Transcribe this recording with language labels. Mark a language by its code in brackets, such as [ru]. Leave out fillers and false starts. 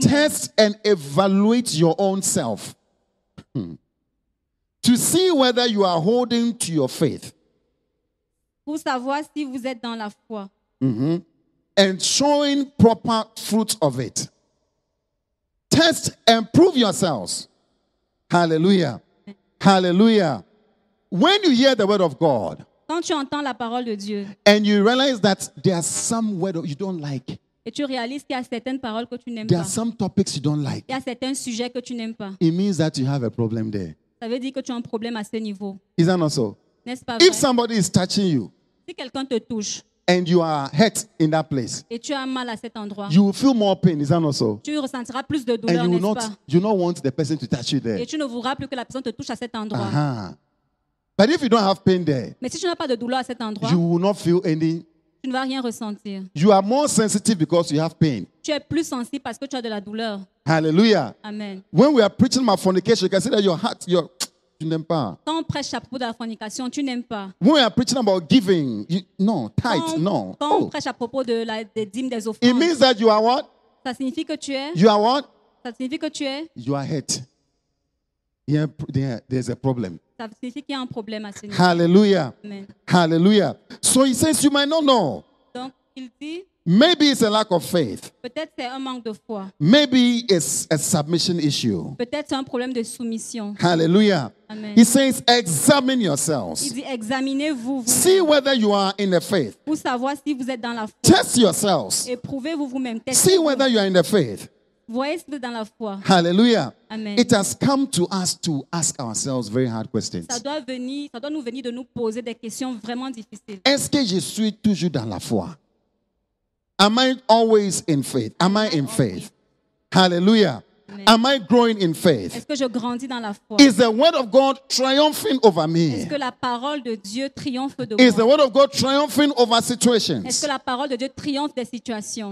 [en] Test and evaluate your own self. To see whether you are holding to your faith. [fr] Pour savoir si vous êtes dans la foi. Mm-hmm. [en] And showing proper fruit of it. Test and prove yourselves. Hallelujah. Amen. Hallelujah. When you hear the word of God. [fr] Quand tu entends la parole de Dieu. [en] And you realize that there are some words you don't like. [fr] Et tu réalises qu'il y a certaines paroles que tu n'aimes [en] there [fr] pas. [en] There are some topics you don't like. [fr] Il y a certains sujets que tu n'aimes pas. [en] It means that you have a problem there. [fr] Ça veut dire que tu as un problème à ce niveau. [en] Is that not so? [fr] N'est-ce pas vrai? [en] If somebody is touching you, [fr] si quelqu'un te touche, [en] and you are hurt in that place, [fr] et tu as mal à cet endroit, [en] you will feel more pain. Is that not so? [fr] Tu ressentiras plus de douleur, n'est-ce [en] not, [fr] pas? [en] You not want the person to touch you there. [fr] Et tu ne voudras plus que la personne te touche à cet endroit. Uh-huh. [en] But if you don't have pain there, [fr] mais si tu n'as pas de douleur à cet endroit, [en] you will not feel any. [fr] Tu ne vas rien ressentir. [en] You are more sensitive because you have pain. [fr] Tu es plus sensible parce que tu as de la douleur. Hallelujah. Amen. [en] When we are preaching about fornication, you can see that your heart, your [fr] tu n'aimes pas. Quand on prêche à propos de la fornication, tu n'aimes pas. [en] When we are preaching about giving, you, no, tithe, no. [fr] Quand on prêche à propos de la des dîmes des offrandes, [en] it means that you are what? [fr] Ça signifie que tu es. [en] You are what? [fr] Ça signifie que tu es. [en] You are hurt. There's a problem. [fr] Ça signifie qu'il y a un problème à ce niveau. Hallelujah. Amen. Hallelujah. [en] So he says you might not know. [fr] Donc, il dit, [en] maybe it's a lack of faith. [fr] Peut-être c'est un manque de foi. [en] Maybe it's a submission issue. [fr] Peut-être c'est un problème de soumission. Hallelujah. Amen. [en] He says examine yourselves. [fr] Il dit examinez-vous. [en] See whether you are in the faith. [fr] Pour savoir si vous êtes dans la foi. [en] Test yourselves. [fr] Éprouvez-vous vous-même. [en] See whether you are in the faith. [fr] Dans la foi. Hallelujah. Amen. [en] It has come to us to ask ourselves very hard questions. [fr] Ça doit venir, nous venir de nous poser des questions vraiment difficiles. Est-ce que je suis toujours dans la foi? [en] Am I always in faith? Am I in faith? Hallelujah. Amen. Am I growing in faith? [fr] Est-ce que je grandis dans la foi? [en] Is the word of God triumphing over me? [fr] Est-ce que la parole de Dieu triomphe de moi? [en] Is the word of God triumphing over situations? [fr] Est-ce que la parole de Dieu triomphe des situations?